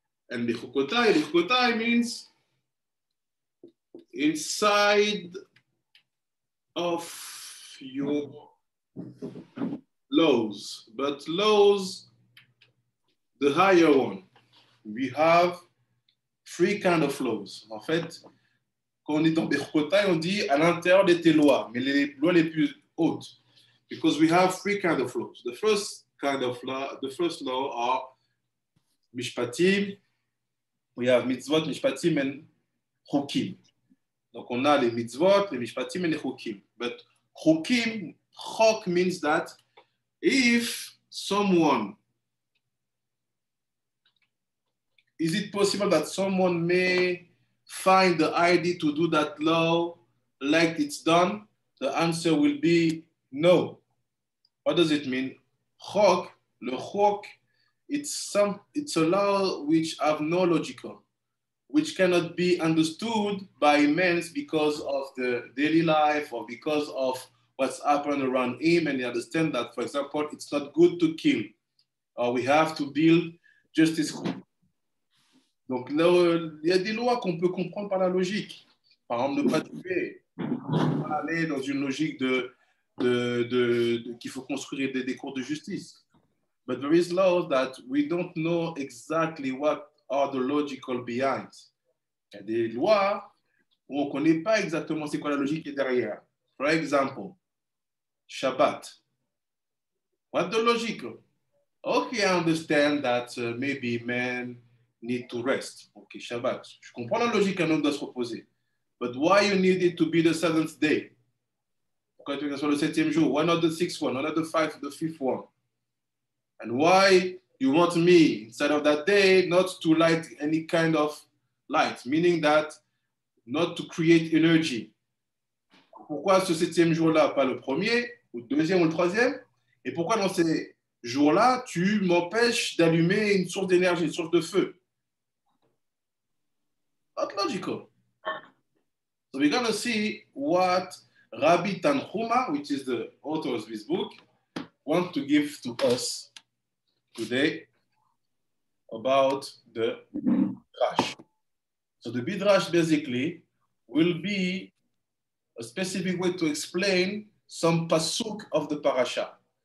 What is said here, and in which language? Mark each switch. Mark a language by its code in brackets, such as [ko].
[en] And Bechukotai means inside of your laws, but laws, the higher one. We have three kind of laws. [fr] En fait, quand on est dans Bechukotai, on dit à l'intérieur de tes lois, mais les lois les plus hautes. [en] Because we have three kind of laws. The first kind of law, the first law are Mishpatim. We have Mitzvot, Mishpatim, and Chukim. [fr] Donc on a les Mitzvot, les Mishpatim, and les Chukim. [en] But Chukim, chok means that if someone, is it possible that someone may find the idea to do that law like it's done? The answer will be no. What does it mean? Chok, le chok, it's a law which have no logical, which cannot be understood by men because of the daily life or because of what's happened around him, and he understands that, for example, it's not good to kill, or we have to build justice. [fr] Donc, il y a des lois qu'on peut comprendre par la logique. Par exemple, ne pas tuer. Aller dans une logique de qu'il faut construire des cours de justice. [en] But there is law that we don't know exactly what are the logical behind. [fr] Il y a des lois où on ne connaît pas exactement c'est quoi la logique qui est derrière. [en] For example, Shabbat. What the logic? Okay, I understand that maybe men need to rest. Okay, Shabbat. [fr] Je comprends la logique qu'un homme doit se reposer. [en] But why you need it to be the seventh day? [fr] Pourquoi tu veux que ce soit le septième jour? [en] Why not the sixth one? Why not the five, the fifth one? And why you want me, instead of that day, not to light any kind of light, meaning that not to create energy. [fr] Pourquoi ce septième jour-là, pas le premier, ou le deuxième, ou le troisième? Et pourquoi dans ces jours-là, tu m'empêches d'allumer une source d'énergie, une source de feu? [en] Not logical. So we're going to see what Rabbi Tanhuma, which is the author of this book, wants to give to us today about the Midrash. So the Midrash basically will be a specific way to explain some pasuk of the parasha.